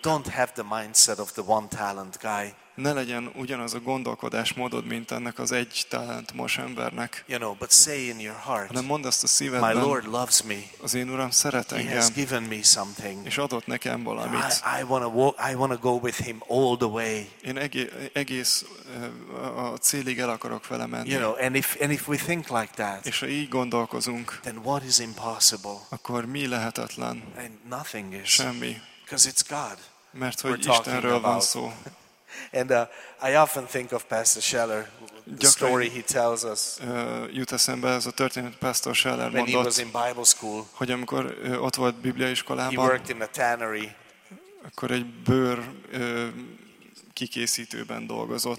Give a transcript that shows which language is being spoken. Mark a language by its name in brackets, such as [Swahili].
[English] Don't have the mindset of the one talent guy. [Hungarian] Ne legyen ugyanaz a gondolkodásmódod, mint ennek az egy talentumos embernek. [English] You know, but say in your heart. [Hungarian] Hanem mondd azt a szívedben. [English] My Lord loves me. [Hungarian] Az én Uram szeret engem. [English] He has given me something. [Hungarian] És adott nekem valamit. [English] I wanna go with him all the way. [Hungarian] Én egész a célig el akarok vele menni. [English] You know, and if we think like that. [Hungarian] És ha így gondolkozunk. [English] Then what is impossible? [Hungarian] Akkor mi lehetetlen? [English] And nothing is. [Hungarian] Semmi. [English] Because it's God. [Hungarian] Mert hogy Istenről van szó. [English] And I often think of Pastor Scheller, the story he tells us. [Hungarian] Jut eszembe ez a történet Pastor Scheller [English] when [Hungarian] mondott, [English] he was in Bible school. [Hungarian] Hogy amikor ott volt bibliaiskolában. [English] He worked in a tannery. [Hungarian] Akkor egy bőr kikészítőben dolgozott.